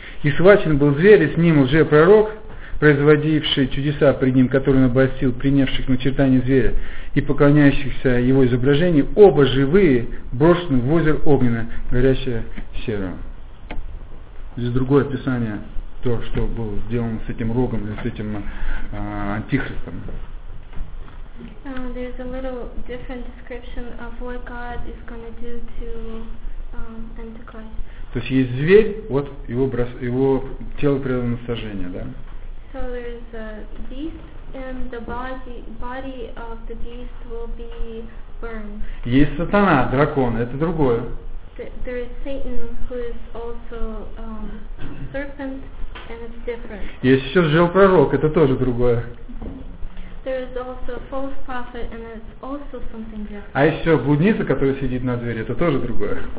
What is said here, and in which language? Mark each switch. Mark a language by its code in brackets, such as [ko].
[ru] И схвачен был зверь, и с ним лжепророк, производивший чудеса пред ним, который он обольстил принявших начертание зверя и поклоняющихся его изображению, оба живые брошены в озеро огненное, горящее серым. Здесь другое описание, то, что было сделано с этим рогом, с этим антихристом. [en] There's a little different description of what God is going to do to Antichrist. [ru] То есть есть зверь, вот его, его тело предано на сожжение, да? [en] So there's a beast and the body of the beast will be burned. [ru] Есть сатана, дракон, это другое. [en] There is Satan who is also serpent and it's different. [ru] Есть еще лжепророк, это тоже другое. [en] There is also a false prophet and it's also something different. [ru] А еще блудница, которая сидит на двери, это тоже другое.